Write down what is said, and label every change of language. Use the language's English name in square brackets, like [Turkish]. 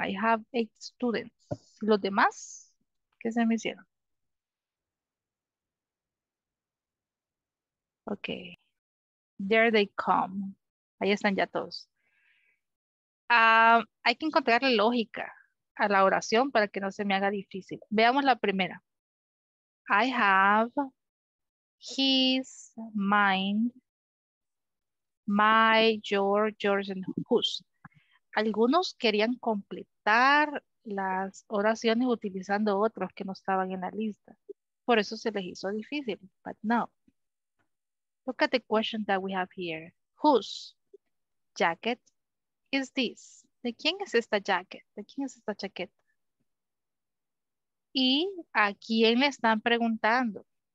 [English] I have 8 students. [Spanish] ¿Los demás? ¿Qué se me hicieron? [English] Ok. There they come. [Spanish] Ahí están ya todos. Hay que encontrarle lógica a la oración para que no se me haga difícil. Veamos la primera. [English] I have his, mine, my, your, yours, and whose. [Spanish] Algunos querían completar las oraciones utilizando otros que no estaban en la lista. Por eso se les hizo difícil, [English] but no. Look at the question that we have here. Whose jacket is this? [Spanish] ¿De quién es esta jacket? ¿De quién es esta chaqueta? ¿Y a quién le están preguntando?